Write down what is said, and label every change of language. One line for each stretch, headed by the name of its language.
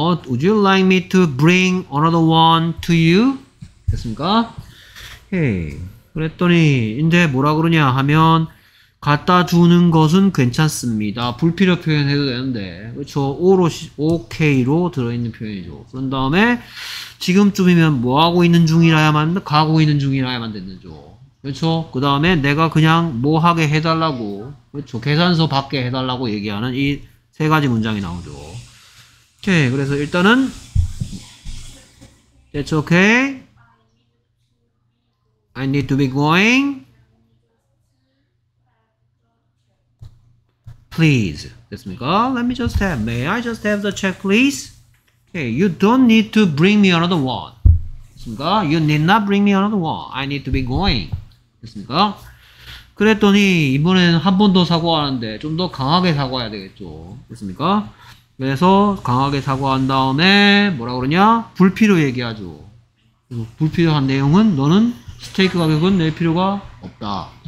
English: Would you like me to bring another one to you?
Korean: 됐습니까? 오케이. 그랬더니 이제 뭐라 그러냐 하면 갖다 주는 것은 괜찮습니다. 불필요 표현해도 되는데, 그렇죠? 오롯이 오케이로 들어있는 표현이죠. 그런 다음에 지금쯤이면 뭐 하고 있는 중이라야만, 가고 있는 중이라야만 됐는죠. 그렇죠? 그 다음에 내가 그냥 뭐 하게 해달라고, 그렇죠? 계산서 받게 해달라고 얘기하는 이 세 가지 문장이 나오죠. 오케이, 그래서 일단은
English: That's okay. I need to be going. Please.
Korean: 됐습니까?
English: Let me just have. May I just have the check, please? Okay. You don't need to bring me another one.
Korean: 됐습니까?
English: You need not bring me another one. I need to be going. 됐습니까?
Korean: 그랬더니 이번에는 한 번 더 사과하는데 좀 더 강하게 사과해야 되겠죠. 됐습니까? 그래서 강하게 사과한 다음에 뭐라 그러냐? 불필요 얘기하죠. 그래서 불필요한 내용은 너는 스테이크 가격은 낼 필요가 없다.